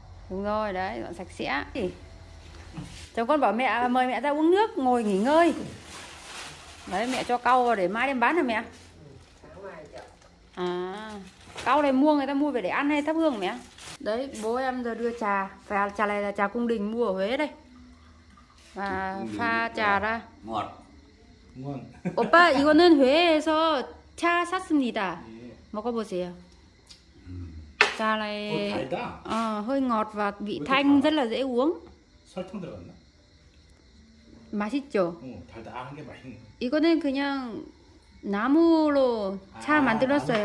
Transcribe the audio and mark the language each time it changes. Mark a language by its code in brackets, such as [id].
[vi] Đúng rồi, đấy, dọn sạch sẽ. Chồng con bảo mẹ, mời mẹ ra uống nước, ngồi nghỉ ngơi. Đấy, mẹ cho cau vào để mai đem bán hả mẹ? À, cau này mua người ta mua về để ăn hay thắp hương mẹ? Đấy, bố em giờ đưa trà, pha trà này là trà cung đình mua ở Huế đây. Và pha trà ra. Ngọt. Ngon. [ko] Oppa, 이거는 회에서 차 샀습니다. 먹어 보세요. [vi] Trà này hơi ngọt và vị thanh rất là dễ uống. [ko] 설탕 들어갔나? 맛있죠? 달달한 게 맛있네. 이거는 그냥 나무로 차 만들었어요.